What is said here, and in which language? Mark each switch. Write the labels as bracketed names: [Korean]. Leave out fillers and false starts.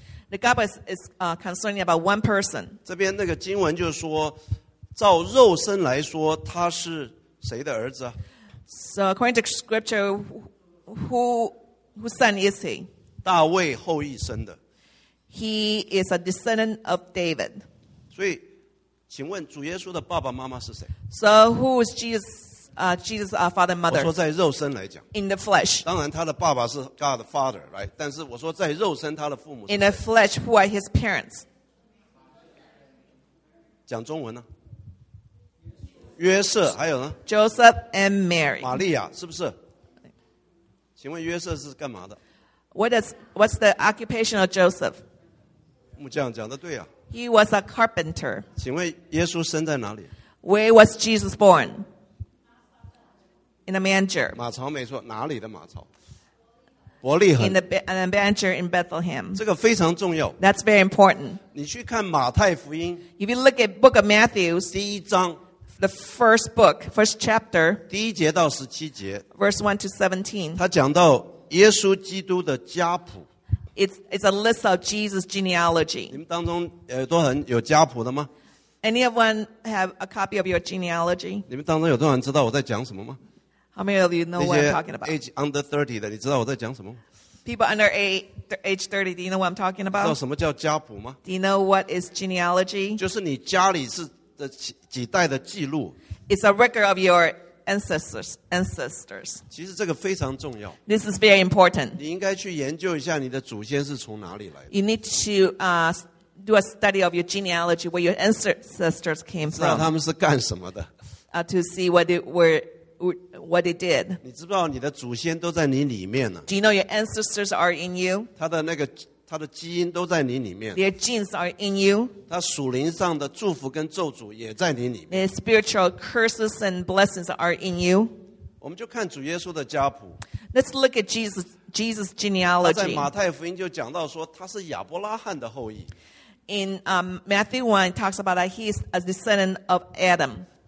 [English] The gospel is concerning about one person. [Chinese] 这边那个经文就说, 照肉身来说, 他是谁的儿子? [English] So according to scripture, whose son is he? [Chinese] 大卫后裔生的。 [English] He is a descendant of David. [Chinese] 所以请问主耶稣的爸爸妈妈是谁? [English] So who is Jesus' father and mother? [Chinese] 我说在肉身来讲, [English] in the flesh. [Chinese] 当然他的爸爸是 [English] God the father, right? [Chinese] 但是我说在肉身, [English] in the flesh, who are his parents? [Chinese] 讲中文呢?约瑟还有呢? [English] Joseph and Mary. [Chinese] 玛利亚是不是?请问约瑟是干嘛的? [English] What's the occupation of Joseph? [Chinese] 木匠讲得对啊。 [English] He was a carpenter. [Chinese] 请问耶稣生在哪里? [English] Where was Jesus born? In a manger. [Chinese] 马槽没错, 哪里的马槽?伯利恒。 [English] In a manger in Bethlehem. [Chinese] 这个非常重要。 [English] That's very important. [Chinese] 你去看马太福音, [English] if you look at the book of Matthew, [Chinese] 第一章, [English] the first book, first chapter, [Chinese] 第一节到17节, [English] verse 1 to 17, [Chinese] 他讲到耶稣基督的家谱, [English] it's a list of Jesus' genealogy. [Chinese] 你们当中有家谱的吗? [English] Anyone have a copy of your genealogy? [Chinese] 你们当中有多少人知道我在讲什么吗? [English] How many of you know what I'm talking about? Age under 30 [Chinese] 的, 你知道我在讲什么? [English] People under age 30, do you know what I'm talking about? [Chinese] 知道什么叫家谱吗? [English] Do you know what is genealogy? [Chinese] 就是你家里是 几代的记录, [English] it's a record of your ancestors. [Chinese] 其实这个非常重要, [English] this is very important. [Chinese] 你应该去研究一下你的祖先是从哪里来的。 [English] You need to do a study of your genealogy, where your ancestors came from. [Chinese] 知道他们是干什么的, [English] to see what they did. [Chinese] 你知道你的祖先都在你里面呢。 [English] Do you know your ancestors are in you? [Chinese] 他的基因都在你里面, [English] their genes are in you. [Chinese] 他属灵上的祝福跟咒诅也在你里面, [English] their spiritual curses and blessings are in you. [Chinese] 我们就看主耶稣的家谱, [English] let's look at Jesus' genealogy. [Chinese] 他在马太福音就讲到说他是亚伯拉罕的后裔, [English] in Matthew 1 it talks about that he is a descendant of Adam.